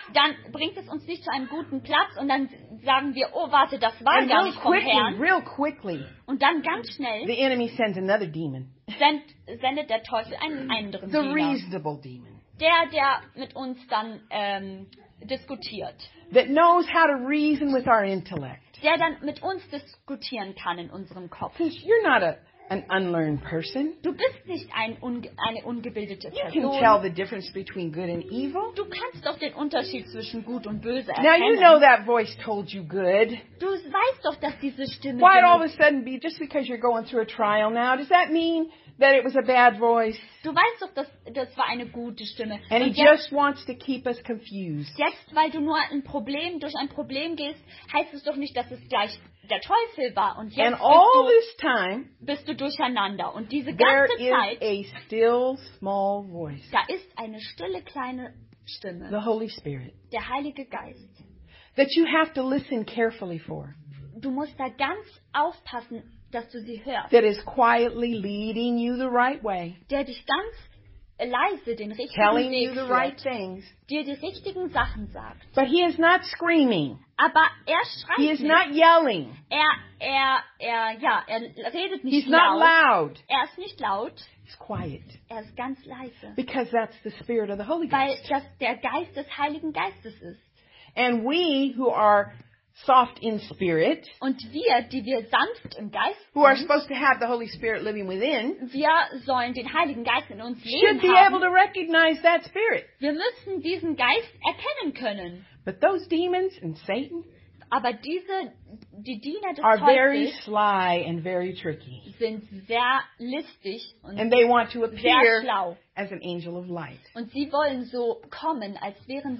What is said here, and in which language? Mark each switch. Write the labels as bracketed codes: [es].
[de] Dann bringt es uns nicht zu einem guten Platz und dann sagen wir, oh warte, das war [en] and [de] gar nicht vom [en] quickly, [de] Herrn. [en] Real quickly, [de] und dann ganz schnell [en] the enemy sends another demon. [de] Sendet der Teufel einen anderen [en] the [de] Diener. [en] Reasonable demon. [de] Der mit uns dann diskutiert. [en] That knows how to reason with our intellect. [de] Der dann mit uns diskutieren kann in unserem Kopf. [en] You're not an unlearned person. [de] Du bist nicht eine ungebildete Person. [en] You can tell the difference between good and evil. [de] Du kannst doch den Unterschied zwischen gut und böse erkennen. [en] Now you know that voice told you good. [de] Du weißt doch, dass diese Stimme. [en] Why all of a sudden be just because you're going through a trial now? Does that mean that it was a bad voice? [de] Du weißt doch, dass das war eine gute Stimme. [en] And he just wants to keep us confused. [de] Jetzt, weil du nur ein Problem durch ein Problem gehst, heißt es doch nicht, dass es gleich der Teufel war. Und jetzt [en] and all this time, [de] bist du durcheinander. Und diese ganze [en] there is [de] Zeit, [en] a still, small voice. [de] Da ist eine stille, kleine Stimme. [en] The Holy Spirit, [de] der Heilige Geist. [en] That you have to listen carefully for. [de] Du musst da ganz aufpassen, dass du sie hörst. [en] That is quietly leading you the right way. [de] Der dich ganz leise den richtigen [en] telling [de] Weg [en] you the right things. [de] Dir die richtigen Sachen sagt. [en] But he is not screaming. [de] Aber er schreit [en] he is [de] nicht. [en] Not yelling. [de] Er redet nicht [en] he's [de] laut. [en] Not loud. [de] Er ist nicht laut. [en] He's quiet. [de] Er ist ganz leise. [en] Because that's the spirit of the Holy [de] Weil [en] Ghost. [de] Das der Geist des Heiligen Geistes ist. [en] And we who are soft in spirit. [de] Und die wir sanft im Geist sind, [en] who are supposed to have the Holy Spirit living within. [de] Wir sollen den Heiligen Geist in uns leben haben. [en] Should be able to recognize that spirit. [de] Wir müssen diesen Geist erkennen können. [en] But those demons and Satan. [de] Aber die Diener des [en] are [de] Teufels [en] very sly and very tricky. [de] Sind sehr listig und [en] and they want to appear [de] sehr schlau. [en] As an angel of light. [de] Und sie wollen so kommen, als wären sie